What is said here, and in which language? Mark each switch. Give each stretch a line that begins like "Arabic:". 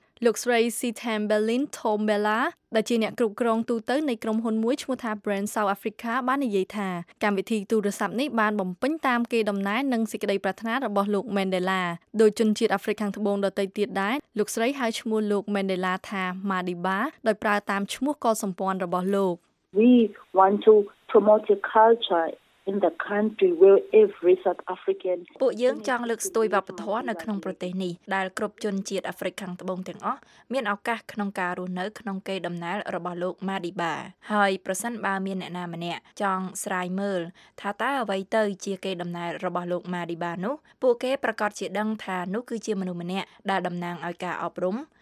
Khmer: លោកស្រី C-Tam Berlin Tombella ដែលជាអ្នកគ្រប់គ្រងទូទៅនៃក្រុមហ៊ុនមួយឈ្មោះថា Brand South Africa បាននិយាយថាកម្មវិធីទូរស័ព្ទនេះបានបំពេញតាមគេដំណើរនិងសេចក្តីប្រាថ្នារបស់លោក Mandela ដោយជនជាតិអាហ្វ្រិកខាងត្បូងដទៃទៀតដែរលោកស្រីហៅឈ្មោះលោក Mandela ថា Madiba ដោយប្រើតាមឈ្មោះកុលសម្ព័ន្ធរបស់លោក
English: We want to promote a culture. In the country where every South African
Khmer: ពួកយើងចង់លើកស្ទួយវប្បធម៌នៅក្នុងប្រទេសនេះដែលគ្រប់ជនជាតិអាហ្វ្រិកខាងត្បូងទាំងអស់មានឱកាសក្នុងការរស់នៅក្នុងគេដំណើររបស់លោក Madiba ហើយប្រសិនបើមានអ្នកណាម្នាក់ចង់ស្រាយមើលថាតើអ្វីទៅជាគេដំណើររបស់លោក Madiba នោះពួកគេប្រកាសជាដឹងថានោះគឺជាមនុស្សម្នាក់ដែលតំណាងឲ្យការអប់រំ